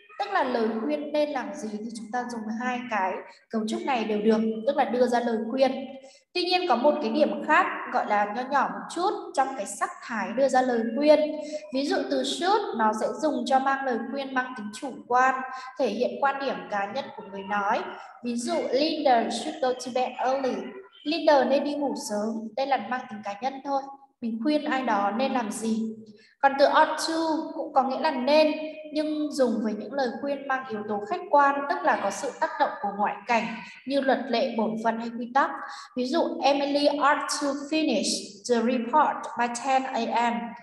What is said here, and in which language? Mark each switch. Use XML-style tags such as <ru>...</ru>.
<vi>Tức là lời khuyên nên làm gì thì chúng ta dùng hai cái cấu trúc này đều được, tức là đưa ra lời khuyên. Tuy nhiên có một cái điểm khác gọi là nho nhỏ một chút trong cái sắc thái đưa ra lời khuyên. Ví dụ từ should nó sẽ dùng cho mang lời khuyên mang tính chủ quan, thể hiện quan điểm cá nhân của người nói. Ví dụ</vi> <en>leader should go to bed early.</en> <vi>Leader nên đi ngủ sớm, đây là mang tính cá nhân thôi. Mình khuyên ai đó nên làm gì. Còn từ ought to cũng có nghĩa là nên, nhưng dùng với những lời khuyên mang yếu tố khách quan, tức là có sự tác động của ngoại cảnh như luật lệ, bổn phận hay quy tắc. Ví dụ</vi> <en>Emily ought to finish the report by 10 a.m.</en>